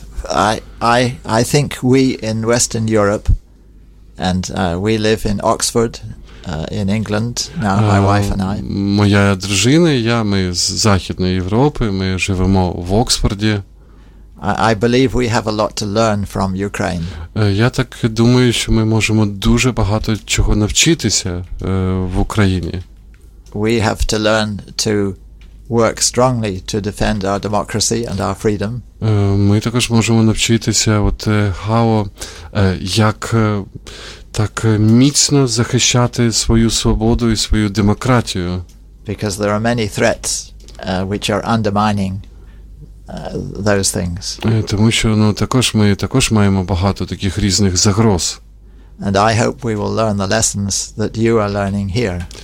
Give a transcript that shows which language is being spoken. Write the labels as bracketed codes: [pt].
[en] I think we in Western Europe, and we live in Oxford, in England now, my wife and I. [uk] Моя дружина і я, ми з Західної Європи, ми живемо в Оксфорді. [en] I believe we have a lot to learn from Ukraine. [uk] Я так думаю, що ми можемо дуже багато чого навчитися в Україні. [en] we have to learn to work strongly to defend our democracy and our freedom. [uk] Ми також можемо навчитися от хао як так міцно захищати свою свободу і свою демократію. [en] Because there are many threats which are undermining those things. [uk] Тому що ну також ми також маємо багато таких різних загроз. [en] And I hope we will learn the lessons that you are learning here.